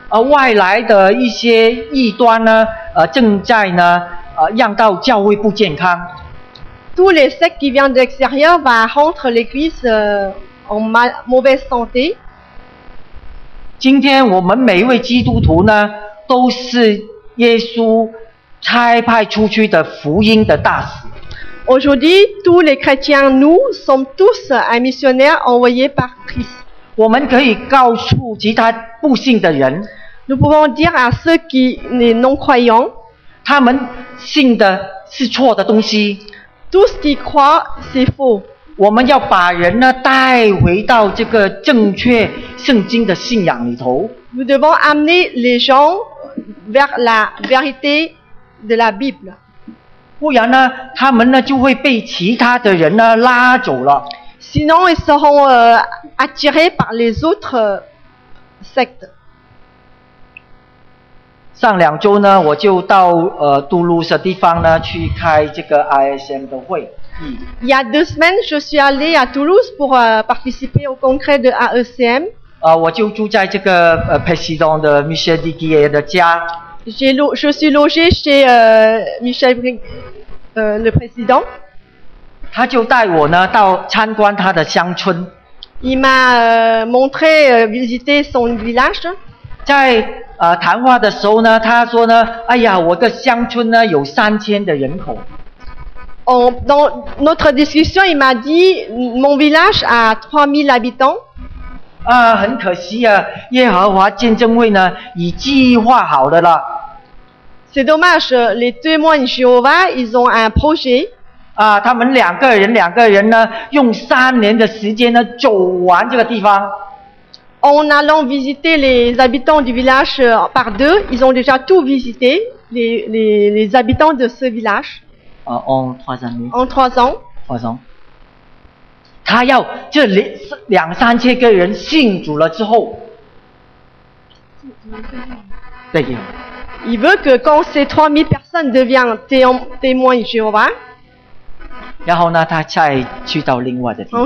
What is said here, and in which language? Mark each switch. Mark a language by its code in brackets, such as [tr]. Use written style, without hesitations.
[zh] 外来的一些异端呢，正在呢，让到教会不健康。 [fr] Tous les sectes qui viennent de l'extérieur va rendre l'église en mauvaise santé. [zh] 今天我们每一位基督徒呢，都是耶稣差派出去的福音的大使。 [fr] Aujourd'hui, tous les chrétiens, nous sommes tous un missionnaire envoyé par Christ. [zh] 我们可以告诉其他不信的人。 [fr] Nous pouvons dire à ceux qui sont non-croyants. [zh] 他们信的是错的东西。 [fr] Tout ce qu'ils croient, c'est faux. [zh] 我们要把人呢带回到这个正确圣经的信仰里头。 [fr] Nous devons amener les gens vers la vérité de la Bible. [zh] 不然呢，他们呢就会被其他的人呢拉走了。 [fr] Sinon, ils seront attirés par les autres sectes. [zh] 上两周呢，我就到杜鲁斯地方呢去开这个 ISM 的会。 [fr] Il y a deux semaines, je suis allé à Toulouse pour participer au congrès de AECM. [zh] 我就住在这个 [fr] président de Michel Diguier [zh] 的家。 [fr] Je suis logé chez Michel, le président. [zh] 他就带我呢到参观他的乡村。 [fr] Il m'a montré visiter son village. [zh] 在谈话的时候呢，他说呢，哎呀，我的乡村呢有三千的人口。 [fr] Dans notre discussion, il m'a dit, mon village a 3000 habitants. [zh] 啊，很可惜啊，耶和华见证会呢已计划好的了。 [fr] C'est dommage, les témoins de Jéhovah, ils ont un projet. [zh] 啊，他们两个人呢，用三年的时间呢，走完这个地方。 [fr] En allant visiter les habitants du village par deux, ils ont déjà tout visité, les habitants de ce village. En trois ans. [zh] 他要这两三千个人信主了之后。再见。 [fr] Il veut que quand ces 3000 personnes deviennent témoins de Jéhovah, [zh] 然后呢，他再去到另外的地方。